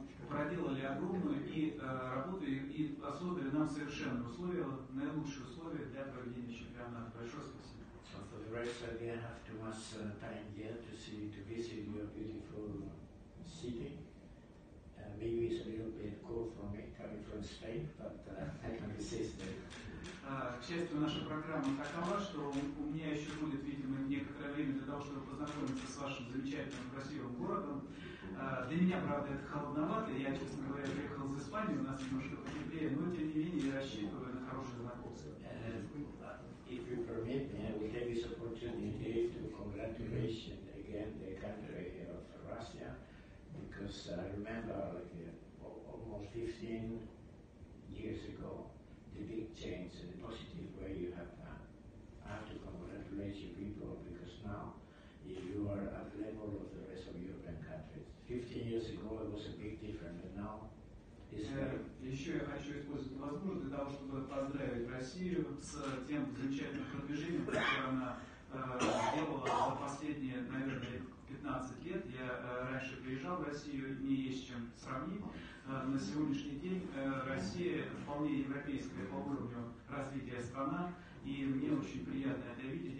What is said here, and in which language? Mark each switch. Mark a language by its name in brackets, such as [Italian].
[Russian] Проделали огромную и работу и создали нам совершенно условия, наилучшие условия для проведения чемпионата. Большое спасибо. [English] So for the rest of you, I have too much time here to see, to visit your beautiful city. Maybe it's a little bit cold for me coming from Spain, but I can resist it. [Russian] К счастью, наша программа такова, что у меня еще будет, видимо, некоторое время для того, чтобы познакомиться с вашим замечательным красивым городом. Для меня, правда, это холодновато. Я, честно говоря, приехал из Испании, у нас немножко потеплее, но тем не менее я рассчитываю на хорошее знакомство. [English] If you permit me, I will take this opportunity to congratulate again the country of Russia, because I remember like, almost 15 years ago. The big change in a positive way you have done. I have to congratulate you people because now you are at the level of the rest of European countries. 15 years ago it was a big difference, but now it's very... [Russian] Еще я хочу использовать возможность для того, чтобы поздравить Россию с тем замечательным продвижением, которое она сделала за последние, наверное, 15 лет. Я раньше приезжал в Россию, не есть чем сравнить. На сегодняшний день Россия вполне европейская по уровню развития страна, и мне очень приятно это видеть.